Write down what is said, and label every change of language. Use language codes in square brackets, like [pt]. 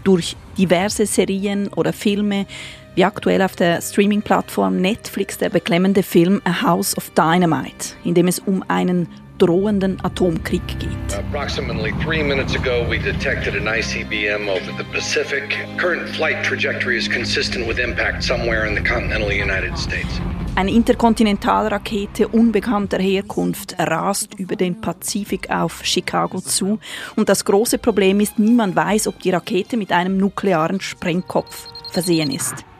[de] Durch diverse Serien oder Filme, wie aktuell auf der Streaming-Plattform Netflix der beklemmende Film A House of Dynamite, in dem es um einen drohenden Atomkrieg geht. [en] Approximately 3 minutes ago we detected an ICBM over the Pacific. Current flight trajectory is consistent with impact somewhere in the continental United States. [de] Eine Interkontinentalrakete unbekannter Herkunft rast über den Pazifik auf Chicago zu. Und das große Problem ist, niemand weiß, ob die Rakete mit einem nuklearen Sprengkopf versehen ist.